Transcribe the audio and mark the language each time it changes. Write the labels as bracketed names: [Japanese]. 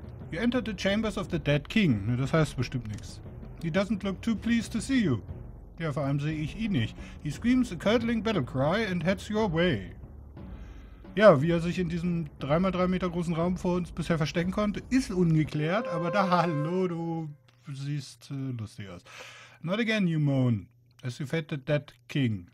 [English] You entered the chambers of the dead king. [German] Das heißt bestimmt nichts. [English] He doesn't look too pleased to see you. [German] Ja, vor allem sehe ich ihn nicht. [English] He screams a curdling battle cry and heads your way. [German] Ja, wie er sich in diesem 3x3 Meter großen Raum vor uns bisher verstecken konnte, ist ungeklärt, aber da, hallo, du siehst lustig aus. [English] Not again, you moan, as you fed the dead king.